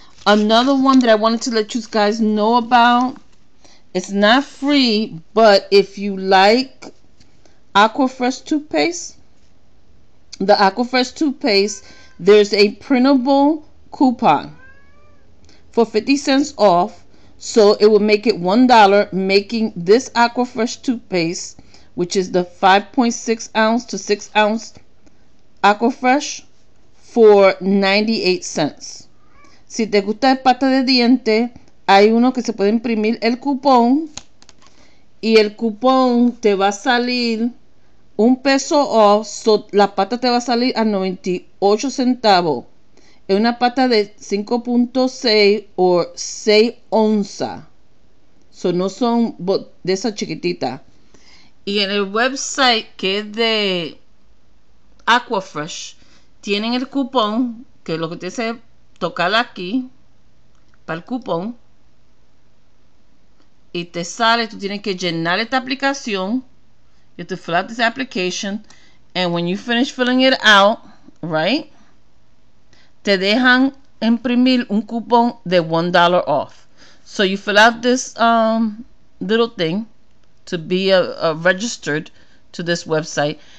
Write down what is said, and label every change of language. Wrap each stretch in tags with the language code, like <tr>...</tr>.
<en>Another one that I wanted to let you guys know about. It's not free, but if you like Aquafresh toothpaste, the Aquafresh toothpaste, there's a printable coupon for 50 cents off. So it will make it $1, making this Aquafresh toothpaste, which is the 5.6 ounce to 6 ounce Aquafresh, for 98 cents.</en> <es>Si te gusta el pasta de diente, hay uno que se puede imprimir el cupón y el cupón te va a salir $1 off, so la pasta te va a salir a 98 centavos. Es una pasta de 5.6 o 6 onzas. So no son de esas chiquititas. Y en el website que es de Aquafresh, tienen el cupón, que lo que te dice es tocar aquí para el cupón. Y te sale, tú tienes que llenar esta aplicación.</es> <en>You have to fill out this application. And when you finish filling it out, right?</en> <es>Te dejan imprimir un cupón de $1 off.</es> <en>So you fill out this little thing to be registered to this website.</en>